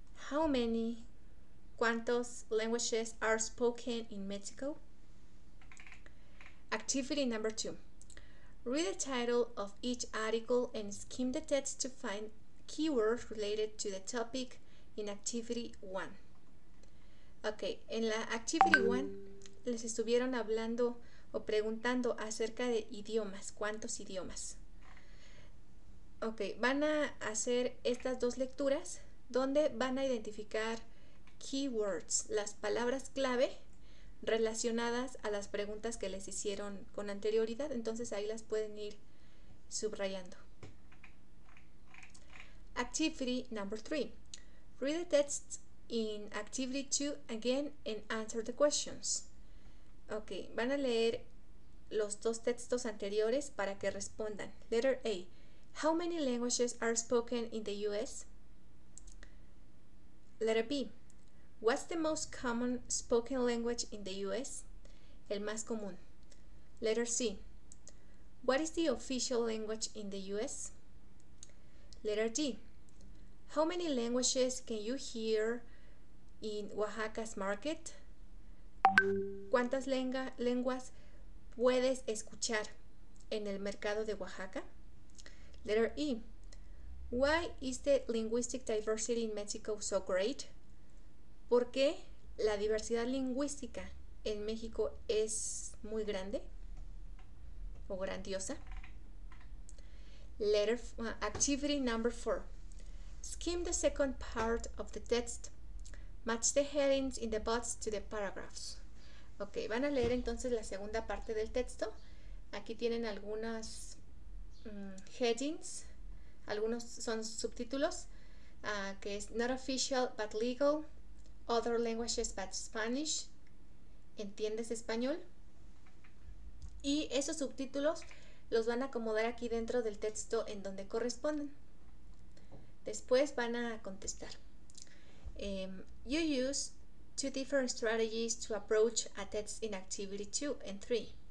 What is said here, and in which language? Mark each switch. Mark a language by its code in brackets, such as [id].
[en] How many, [es] cuántos [en] languages are spoken in Mexico? Activity number 2. Read the title of each article and skim the text to find keywords related to the topic in activity 1. [es] Okay, en la activity 1 les estuvieron hablando o preguntando acerca de idiomas, ¿cuántos idiomas? Ok, van a hacer estas dos lecturas donde van a identificar keywords, las palabras clave relacionadas a las preguntas que les hicieron con anterioridad. Entonces ahí las pueden ir subrayando. [en] Activity number 3. Read the text in activity 2 again and answer the questions. [es] Ok, van a leer los dos textos anteriores para que respondan. [en] Letter A. How many languages are spoken in the US? Letter B. What's the most common spoken language in the US? [es] El más común. [en] Letter C. What is the official language in the US? Letter D. How many languages can you hear in Oaxaca's market? [es] ¿Cuántas lenguas puedes escuchar en el mercado de Oaxaca? [en] Letter E. Why is the linguistic diversity in Mexico so great? [es] ¿Por qué la diversidad lingüística en México es muy grande o grandiosa? [en] Activity number 4. Skim the second part of the text. Match the headings in the box to the paragraphs. [es] Ok, van a leer entonces la segunda parte del texto. Aquí tienen algunas headings, algunos son subtítulos, que es [en] not official but legal, other languages but Spanish, [es] ¿entiendes español? Y esos subtítulos los van a acomodar aquí dentro del texto en donde corresponden. Después van a contestar. [en] You use two different strategies to approach a text in activity 2 and 3.